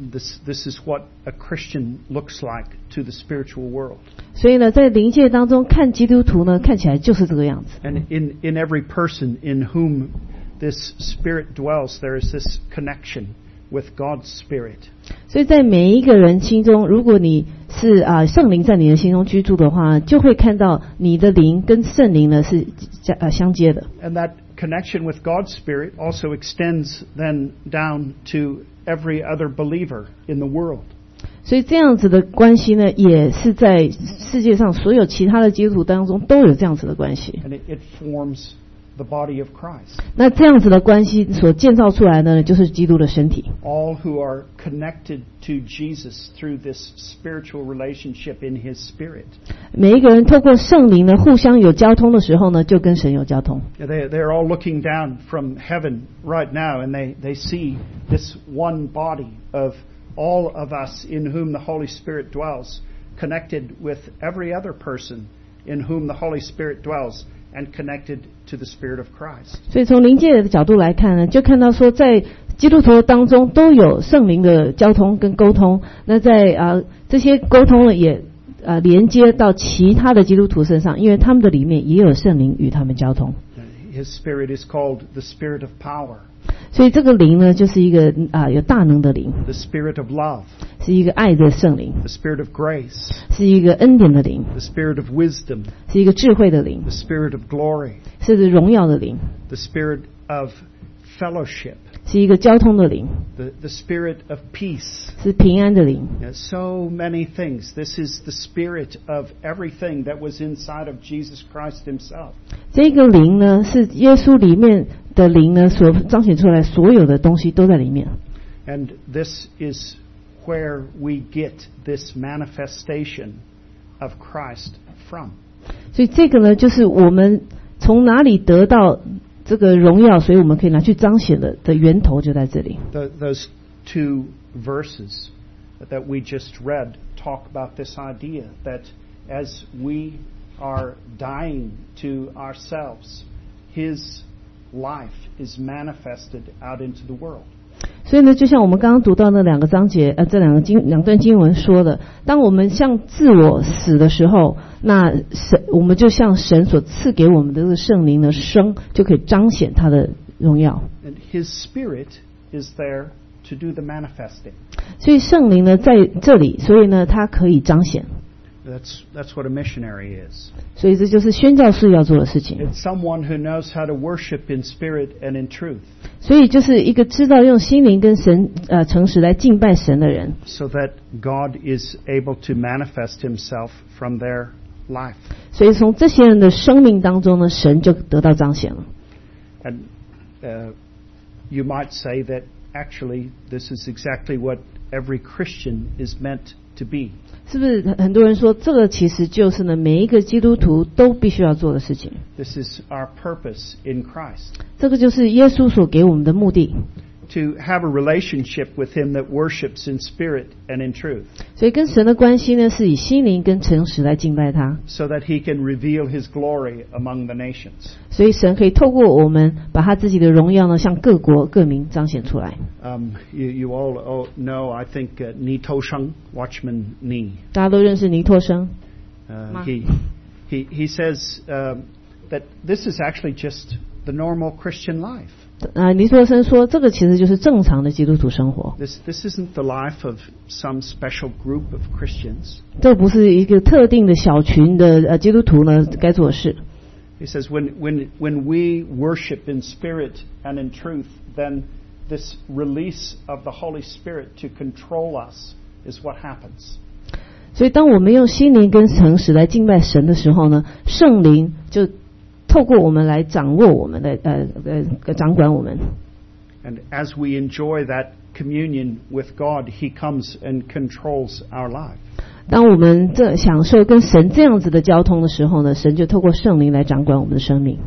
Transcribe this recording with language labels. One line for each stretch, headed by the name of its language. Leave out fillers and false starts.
English: This is what a Christian looks like to the spiritual world.
Chinese: 所以呢，在灵界当中看基督徒呢，看起来就是这个样子。
English: And in every person in whom this spirit dwells, there is this connection with God's Spirit.
Chinese: 所以在每一个人心中，如果你是圣灵在你的心中居住的话，就会看到你的灵跟圣灵呢是相接的。
English: And that connection with God's Spirit also extends then down to every other believer in the world.
Chinese: 所以这样子的关系呢，也是在世界上所有其他的基督徒当中都有这样子的关系。
English: And it forms the body of Christ.
Chinese: 那这样子的关系所建造出来的呢，就是基督的身体。
English: All who are connected to Jesus through this spiritual relationship in His Spirit.
Chinese: 每一个人透过圣灵呢，互相有交通的时候呢，就跟神有交通。
English: They're all looking down from heaven right now, and they see this one body of all of us in whom the Holy Spirit dwells, connected with every other person in whom the Holy Spirit dwells. and connected to the Spirit of Christ.
Chinese: 所以从灵界的角度来看呢，就看到说在基督徒当中都有圣灵的交通跟沟通，那在这些沟通也连接到其他的基督徒身上，因为他们的里面也有圣灵与他们交通。
English: His spirit is called the spirit of power.
Chinese: 所以这个灵呢，就是一个有大能的灵。
English: The spirit of love.
Chinese: 是一个爱的圣灵。
English: The spirit of grace.
Chinese: 是一个恩典的灵。
English: The spirit of wisdom.
Chinese: 是一个智慧的灵。
English: The spirit of glory.
Chinese: 是荣耀的灵。
English: The spirit of fellowship.
Chinese: 是一个交通的灵。
English: The spirit of peace.
Chinese: 是平安的灵。
English: So many things. This is the spirit of everything that was inside of Jesus Christ himself.
Chinese: 这个灵呢，是耶稣里面的灵呢，所彰显出来所有的东西都在里面。
English: And this is where we get this manifestation of Christ from.
Chinese: 所以这个呢，就是我们从哪里得到这个荣耀，所以我们可以拿去彰显的源头就在这里。
English: Those two verses that we just read talk about this idea that as weare dying to ourselves, his life is manifested out into the world.
Chinese: 所以呢，就像我们刚刚读到那两个章节，这两个经两段经文说的，当我们向自我死的时候，那神我们就向神所赐给我们的这个圣灵的生，就可以彰显他的荣耀。
English: And his spirit is there to do the manifesting.
Chinese: 所以圣灵呢在这里，所以呢他可以彰显。
English: That's what a missionary is.
Chinese: 所以这就是宣教士要做的事情。
English: It's someone who knows how to worship in spirit and in truth.
Chinese: 所以就是一个知道用心灵跟神诚实来敬拜神的人。
English: So that God is able to manifest himself from their life.
Chinese: 所以从这些人的生命当中呢，神就得到彰显了。
English: And you might say that actually this is exactly what every Christian is meant to be.
Chinese: 是不是很多人说这个其实就是呢每一个基督徒都必须要做的事情
English: This is our purpose in Christ.
Chinese: 这个就是耶稣所给我们的目的
English: To have a relationship with him that worships in spirit and in truth.
Chinese: 所以跟神的关系呢是以心灵跟诚实来敬拜他
English: So that he can reveal his glory among the nations.
Chinese: 所以神可以透过我们把他自己的荣耀呢向各国各民彰显出来
English: You all know, I think, Ni To Sheng, Watchman Nee.
Chinese: 大家都认识尼托生。
English: He says that this is actually just the normal Christian life.
Chinese: 尼托生说，这个其实就是正常的基督徒生活。
English: This isn't the life of some special group of Christians.
Chinese: 这不是一个特定的小群的基督徒呢该做事。
English: He says when we worship in spirit and in truth, then. This release of the Holy Spirit to control us is what happens.
Chinese: 所以当我们用心灵跟诚实来敬拜神的时候呢，圣灵就透过我们来掌握我们的掌管我们。
English: And as we enjoy that communion with God, He comes and controls our life.
Chinese: 当我们这享受跟神这样子的交通的时候呢，神就透过圣灵来掌管我们的生命。